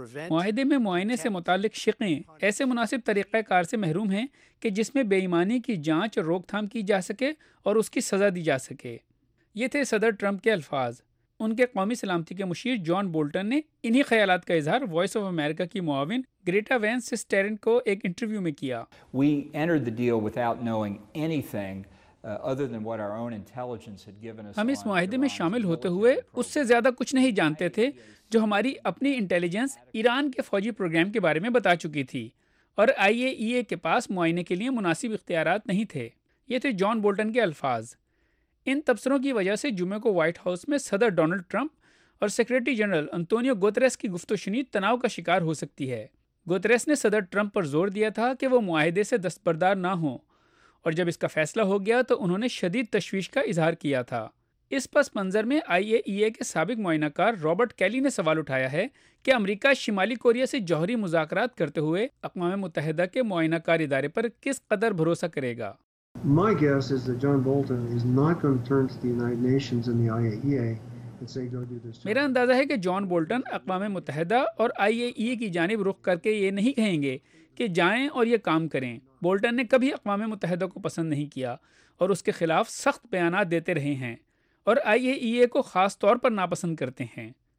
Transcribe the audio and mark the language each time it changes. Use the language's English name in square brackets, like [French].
[Urdu] معاہدے میں معائنے سے متعلق شقیں ایسے مناسب طریقہ کار سے محروم ہیں کہ جس میں بے ایمانی کی جانچ اور روک تھام کی جا سکے اور اس کی سزا دی جا سکے۔ یہ تھے صدر ٹرمپ کے الفاظ۔ ان کے قومی سلامتی کے مشیر جان بولٹن نے انہی خیالات کا اظہار وائس آف امریکا کی معاون گریٹا وین سسٹرن کو ایک انٹرویو میں کیا۔ [English] We entered the deal without knowing anything other than what our own intelligence had given us. [Urdu] ہم اس معاہدے میں شامل ہوتے ہوئے اس سے زیادہ کچھ نہیں جانتے تھے جو ہماری اپنی انٹیلیجنس ایران کے فوجی پروگرام کے بارے میں بتا چکی تھی، اور آئی اے ای اے کے پاس معائنے کے لیے مناسب اختیارات نہیں تھے۔ یہ تھے جان بولٹن کے الفاظ۔ ان تبصروں کی وجہ سے جمعے کو وائٹ ہاؤس میں صدر ڈونلڈ ٹرمپ اور سیکرٹری جنرل انتونیو گوتریس کی گفت و شنید تناؤ کا شکار ہو سکتی ہے۔ گوتریس نے صدر ٹرمپ پر زور دیا تھا کہ وہ معاہدے سے دستبردار نہ ہوں، اور جب اس کا فیصلہ ہو گیا تو انہوں نے شدید تشویش کا اظہار کیا تھا۔ اس پس منظر میں آئی اے ای اے کے سابق معائنہ کار رابرٹ کیلی نے سوال اٹھایا ہے کہ امریکہ شمالی کوریا سے جوہری مذاکرات کرتے ہوئے اقوام متحدہ کے معائنہ کار ادارے پر کس قدر بھروسہ کرے گا۔ [English] My guess is that John Bolton is not going to turn to the United Nations and the IAEA and say go do this. [Urdu] میرا اندازہ ہے کہ جان بولٹن اقوام متحدہ اور IAEA کی جانب رخ کر کے یہ نہیں کہیں گے کہ جائیں اور یہ کام کریں۔ بولٹن نے کبھی اقوام متحدہ کو پسند نہیں کیا اور اس کے خلاف سخت بیانات دیتے رہے ہیں، اور IAEA کو خاص طور پر ناپسند کرتے ہیں۔